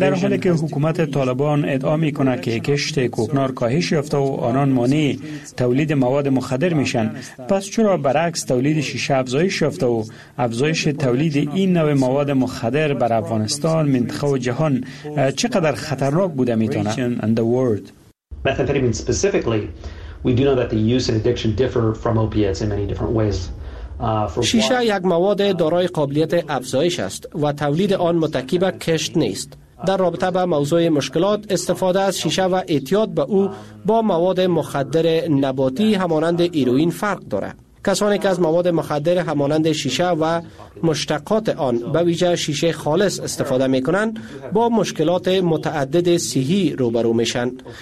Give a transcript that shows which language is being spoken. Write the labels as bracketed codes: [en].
[fa] در حالی که حکومت طالبان ادعا می کند که کشت کوکنار کاهش یافته و آنان مانع تولید مواد مخدر می شن، پس چرا برعکس تولید شیشه افزایش یافته و افزایش تولید این نوع مواد مخدر بر افغانستان، منطقه و جهان چقدر خطرناک بوده می تواند؟ [en] Methamphetamine specifically, we do know that the use and addiction differ from opiates in many different ways. [fa] شیشه یک مواد دارای قابلیت افزایش است و تولید آن متکی به کشت نیست. در رابطه با موضوع مشکلات، استفاده از شیشه و اعتیاد به او با مواد مخدر نباتی همانند ایروین فرق دارد. کسانی که از مواد مخدر همانند شیشه و مشتقات آن به ویژه شیشه خالص استفاده می کنند، با مشکلات متعدد صحی روبرو می شند.